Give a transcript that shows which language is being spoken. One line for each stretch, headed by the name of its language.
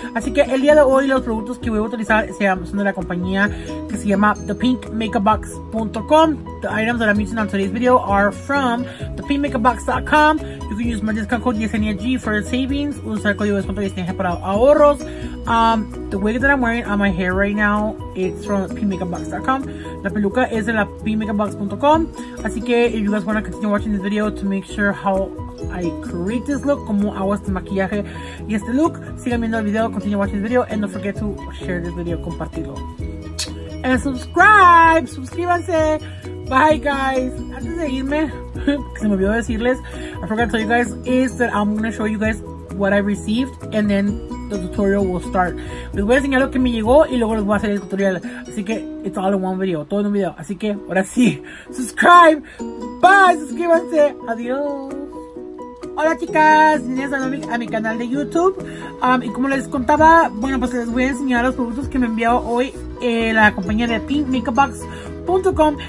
Spanish: Así que el día de hoy los productos que voy a utilizar son de la compañía que se llama ThePinkMakeupBox.com.
English: The items that I'm using on today's video are from ThePinkMakeupBox.com. You can use my discount code YeseniaG for savings.
Spanish: Usa el código de descuento Yesenia para ahorros.
English: The wig that I'm wearing on my hair right now, it's from ThePinkMakeupBox.com.
Spanish: La peluca es de la ThePinkMakeupBox.com. Así que,
English: if you guys want to continue watching this video to make sure how I create this look,
Spanish: como hago este maquillaje y este look, sigan viendo el video,
English: continue watching this video, and don't forget to share this video,
Spanish: compartirlo.
English: And subscribe!
Spanish: Suscríbanse!
English: Bye, guys!
Spanish: Antes de irme, se me olvidó decirles,
English: I forgot to tell you guys, is that I'm going to show you guys what I received, and then the tutorial will start.
Spanish: Les voy a enseñar lo que me llegó y luego les voy a hacer el tutorial. Así que,
English: it's all in one video.
Spanish: Todo en un video. Así que, ahora sí.
English: Subscribe. Bye.
Spanish: Suscríbanse. Adiós. Hola, chicas. Bienvenidas a mi canal de YouTube. Y como les contaba, bueno, pues les voy a enseñar los productos que me envió hoy la compañía de ThePinkMakeupBox.com.